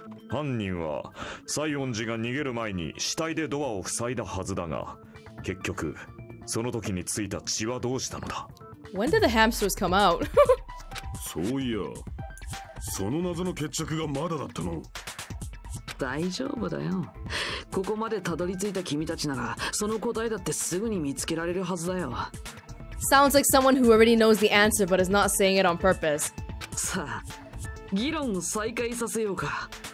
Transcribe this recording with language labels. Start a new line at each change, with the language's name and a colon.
Japanese: 犯人は西園寺が逃げる前に死体でドアを塞いだはずだが、結局その時についた血はどうしたのだ。
English: When did the hamsters come out?
Japanese: そういや、その謎の決着がまだだったの？大丈夫だよ。ここまでたどり着いた君たちならその答えだってすぐに見つけられるはずだよ。
English: Sounds like someone who already knows the answer but is not saying it on purpose.
Japanese: さあ、議論を再開させようか。